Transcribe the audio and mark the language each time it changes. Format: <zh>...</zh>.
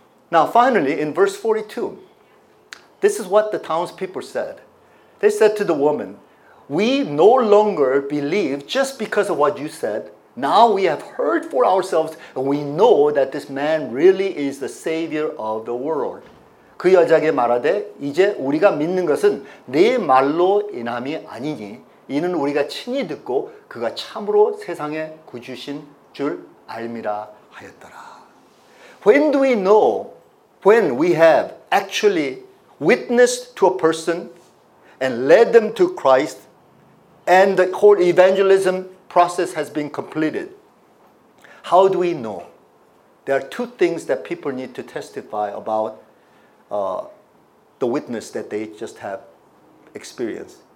<en>Now, finally, in verse 42, this is what the townspeople said. They said to the woman, "We no longer believe just because of what you said. Now we have heard for ourselves, and we know that this man really is the Savior of the world."</en> <ko>그 여자에게 말하되 이제 우리가 믿는 것은 네 말로 인함이 아니니 이는 우리가 친히 듣고 그가 참으로 세상에 구주신 줄 알미라 하였더라.</ko> <en>When do we know when we have actually witnessed to a person and led them to Christ and the whole evangelism process has been completed? How do we know? There are two things that people need to testify about the witness that they just have experienced.</en>